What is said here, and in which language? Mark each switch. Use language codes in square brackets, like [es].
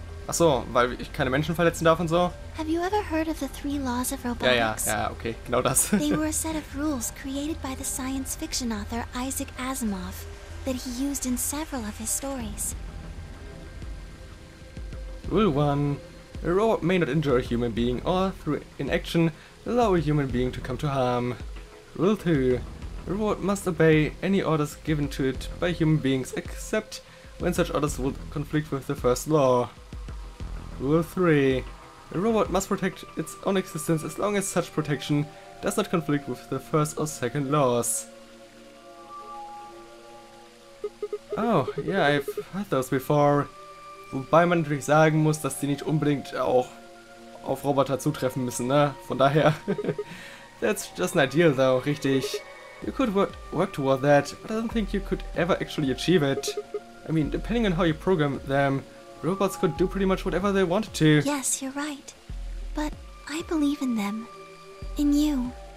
[de] Ach so, weil ich keine Menschen verletzen darf und so? [en] Have you ever heard of the three laws of robotics? [de] Ja, okay, genau das. [en] They were a set of rules created by the science fiction author Isaac Asimov that he used in several of his stories. Rule 1. A robot may not injure a human being or, through inaction, allow a human being to come to harm. Rule 2. A robot must obey any orders given to it by human beings except when such orders would conflict with the first law. Rule 3. A robot must protect its own existence as long as such protection does not conflict with the first or second laws. Oh, yeah, I've heard those before. [de] Wobei man natürlich sagen muss, dass die nicht unbedingt auch auf Roboter zutreffen müssen, ne? Von daher. [en] That's just an ideal though, richtig. You could work toward that, but I don't think you could ever actually achieve it. I mean, depending on how you program them, robots could do pretty much whatever they wanted to. Yes, you're right. But I believe in them. In you.